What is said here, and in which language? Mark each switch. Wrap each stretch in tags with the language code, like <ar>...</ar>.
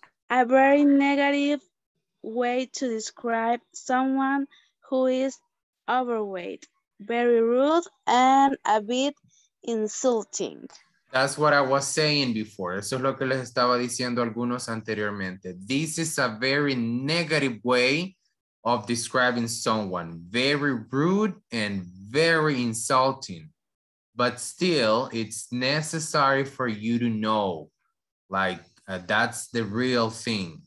<en>A very negative way to describe someone who is overweight, very rude, and a bit insulting. That's what I was saying before.</en> <es>Eso es lo que les estaba diciendo algunos anteriormente.</es> <en>This is a very negative way of describing someone, very rude and very insulting. But still, it's necessary for you to know, like, that's the real thing.</en>